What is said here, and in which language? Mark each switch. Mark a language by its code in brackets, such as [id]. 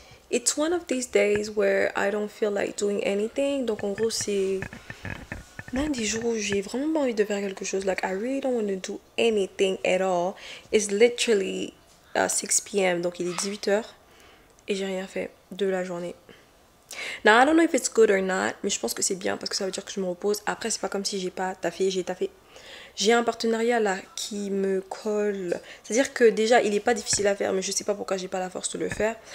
[en] It's one of these days where I don't feel like doing anything. [fr] Donc en gros c'est l'un des jours où j'ai vraiment pas envie de faire quelque chose. [en] Like I really don't want to do anything at all. It's literally... à 6 p.m. [fr] donc il est 18h et j'ai rien fait de la journée. [en] Now I don't know if it's good or not, [fr] mais je pense que c'est bien parce que ça veut dire que je me repose. Après c'est pas comme si j'ai pas taffé, j'ai taffé. J'ai un partenariat là qui me colle, c'est à dire que déjà il est pas difficile à faire, mais je sais pas pourquoi j'ai pas la force de le faire.